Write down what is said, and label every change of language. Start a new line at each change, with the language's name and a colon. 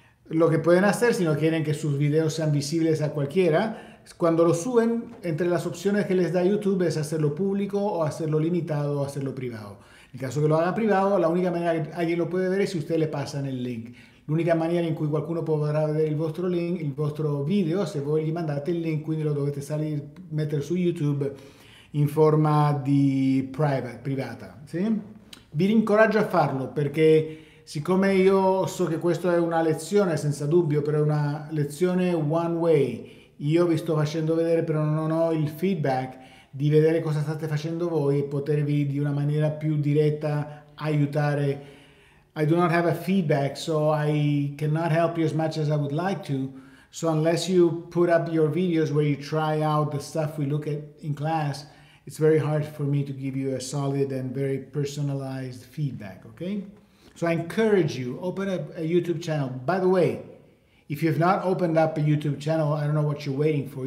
Spanish: Lo que pueden hacer si no quieren que sus videos sean visibles a cualquiera, cuando lo suben, entre las opciones que les da YouTube es hacerlo público o hacerlo limitado o hacerlo privado. En el caso que lo hagan privado, la única manera que alguien lo puede ver es si usted le pasan el link.
Italian: L'unica maniera in cui qualcuno potrà vedere il vostro link, il vostro video, se voi gli mandate il link, quindi lo dovete salire, mettere su YouTube in forma di private, privata. Sì? Vi incoraggio a farlo, perché siccome io so che questa è una lezione, senza dubbio, però è una lezione one way, io vi sto facendo vedere, però non ho il feedback di vedere cosa state facendo voi e potervi di una maniera più diretta aiutare.
English: I do not have a feedback, so I cannot help you as much as I would like to. So unless you put up your videos where you try out the stuff we look at in class, it's very hard for me to give you a solid and very personalized feedback, okay? So I encourage you, open up a YouTube channel. By the way, if you have not opened up a YouTube channel, I don't know what you're waiting for.